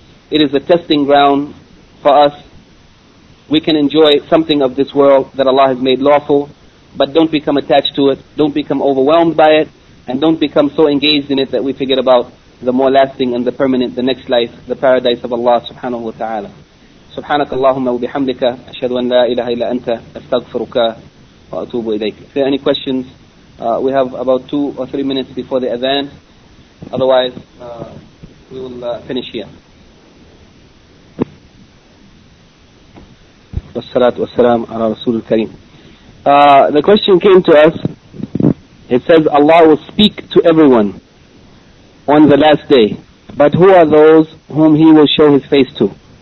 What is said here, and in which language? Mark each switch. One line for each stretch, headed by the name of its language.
English: It is a testing ground for us. We can enjoy something of this world that Allah has made lawful, but don't become attached to it, don't become overwhelmed by it, and don't become so engaged in it that we forget about the more lasting and the permanent, the next life, the paradise of Allah subhanahu wa ta'ala.
Arabic: سبحانك اللهم وبحمدك أشهد أن لا إله إلا أنت أستغفرك وأتوب إليك.
English: If there are any questions, we have about 2 or 3 minutes before the Adhan. Otherwise, we will finish here.
Arabic: والصلاة والسلام على رسول الكريم.
English: The question came to us. It says Allah will speak to everyone on the last day, but who are those whom He will show His face to?